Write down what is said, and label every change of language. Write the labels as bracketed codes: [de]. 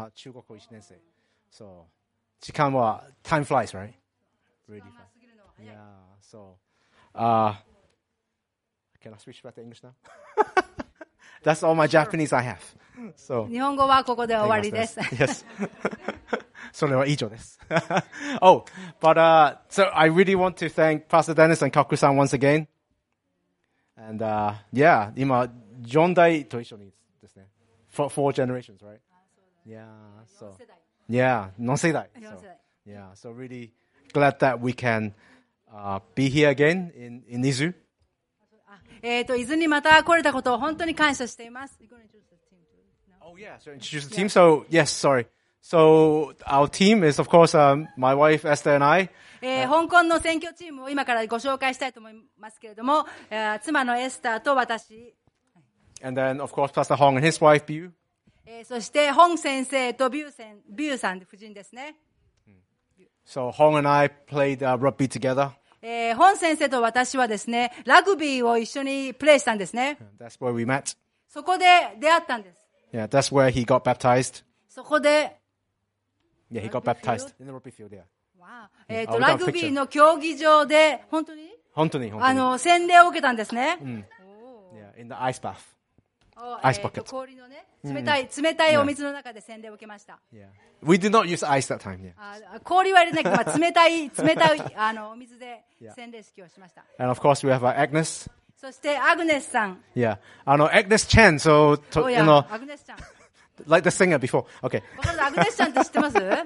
[ja] 中学校1年生。そう。時間は、 [en] time flies, right? Really fast. Yeah, so, can I switch back to English now? That's all my Japanese I have. So, [ja] 日本語はここで終わりです。 Yes. それは以上です。 [en] Oh, but, so I really want to thank Pastor Dennis and Kaku-san once again. [ja] And, yeah, 今、4代と一緒にですね。 [en] Four generations, right? Yeah, so. Yeah, [ja] 4世代。 [en] So, yeah, so really glad that we can, be here again in Izu. [ja] 伊豆にまた来れたことを本当に感謝しています。 [en] Oh yeah, so introduce the team. So yes, sorry. So our team is of course, my wife Esther and I. [ja] 香港の選挙チームを今からご紹介したいと思いますけれども、妻のエスターと私。 [en] And then of course Pastor Hong and his wife Biu. [ja] そしてホン先生とビューさん夫人ですね。 [en] So Hong and I played rugby together. [ja] 本先生と私はですね、ラグビーを一緒にプレイしたんですね。 [en] That's where we met. [ja] そこで出会ったんです。 [en] Yeah, that's where he got baptized. [ja] そこで。 [en] Yeah, he got baptized in the rugby field, yeah. Wow. [ja] ラグビーの競技場で、本当に。洗礼を受けたんですね。 [en] Yeah, in the ice bath. Ice bucket. [ja] 氷のね、冷たいお水の中で洗礼を受けました。 [en] Yeah. We did not use ice that time, yeah. [ja] 氷は入れないけど、冷たいお水で。 [en] Yeah. And of course, we have our Agnes. [ja] そしてアグネスさん。 [en] Yeah, Agnes Chen. So, [ja] アグネスちゃん。 [en] Like the singer before. Okay. [ja] アグネスちゃんって知ってます？